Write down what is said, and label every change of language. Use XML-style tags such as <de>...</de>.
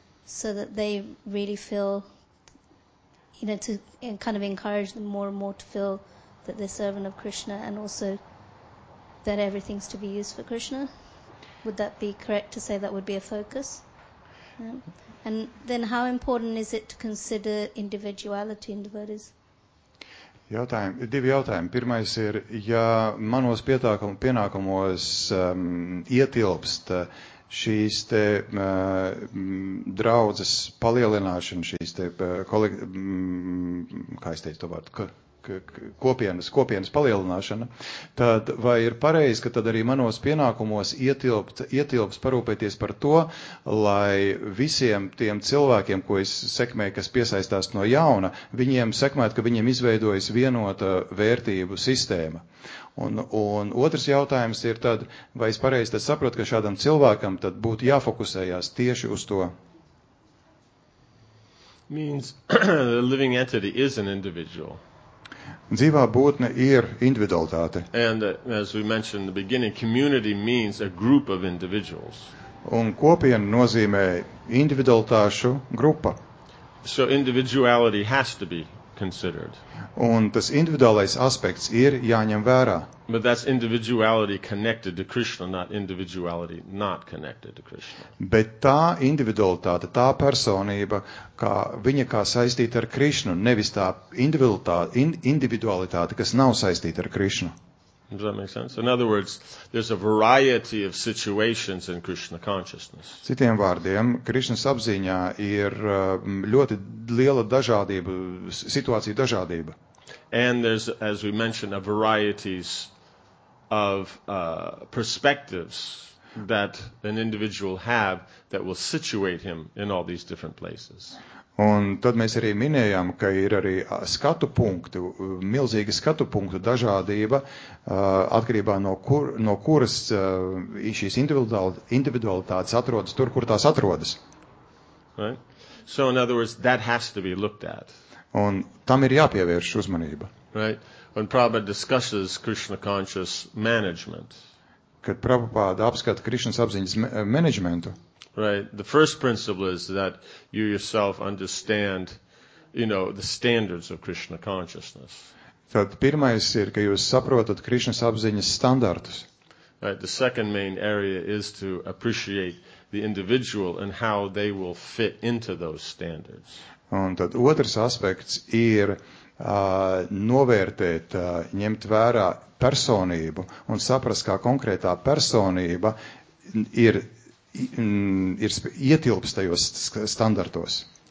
<en>So that they really feel, you know, to kind of encourage them more and more to feel that they're servant of Krishna and also that everything's to be used for Krishna. Would that be correct to say that would be a focus? And then how important is it to consider individuality in devotees?</en> <lv>Divi jautājumi. Pirmais ir, ja manos pienākumos ietilpst šīs te draudzes palielināšana, šīs te kopienas palielināšana, tad vai ir pareizi, ka tad arī manos pienākumos ietilpst parūpēties par to, lai visiem tiem cilvēkiem, ko es sekmēju, kas piesaistās no jauna, viņiem sekmētu, ka viņiem izveidojas vienota vērtību sistēma. Un otrs jautājums ir tad, vai es pareizi tad saprotu, ka šādam cilvēkam tad būtu jāfokusējās tieši uz to?</lv> <en>Means the living entity is an individual.</en> <lv>Dzīvā būtne ir individualitāte.</lv> <en>And as we mentioned in the beginning, community means a group of individuals.</en> <lv>Un kopiena nozīmē individualitāšu grupa.</lv> <en>So individuality has to be considered.</en> <lv>Un tas individuālais aspekts ir jāņem vērā.</lv> <en>But that's individuality connected to Krishna, not individuality not connected to Krishna.</en> <lv>Bet tā individualitāte, tā personība, kā viņa kā saistīta ar Krishnu, nevis tā individualitāte, kas nav saistīta ar Krishnu.</lv> <en>Does that make sense? In other words, there's a variety of situations in Krishna consciousness.</en> <lv>Citiem vārdiem, Krishnas apziņā ir ļoti liela dažādība, situācija dažādība.</lv> <en>And there's, as we mentioned, a varieties of perspectives that an individual have that will situate him in all these different places.</en> <lv>Un tad mēs arī minējām, ka ir arī skatu punktu, milzīga skatu punktu dažādība, atkarībā no kuras šīs individualitātes atrodas tur, kur tās atrodas.</lv> <en>Right? So, in other words, that has to be looked at.</en> <lv>Un tam ir jāpievērš uzmanība.</lv> <en>Right? When Prabhupada discusses Krishna conscious management.</en> <lv>Kad Prabhupada apskata Krishnas apziņas managementu.</lv> <en>Right. The first principle is that you yourself understand, you know, the standards of Krishna consciousness.</en> <lv>Tad pirmais ir, ka jūs saprotat Krishnas apziņas standartus.</lv> <en>Right. The second main area is to appreciate the individual and how they will fit into those standards.</en> <lv>Un tad otrs aspekts ir novērtēt, ņemt vērā personību un saprast, kā konkrētā personība ir ietilpst tajos standartos.</lv>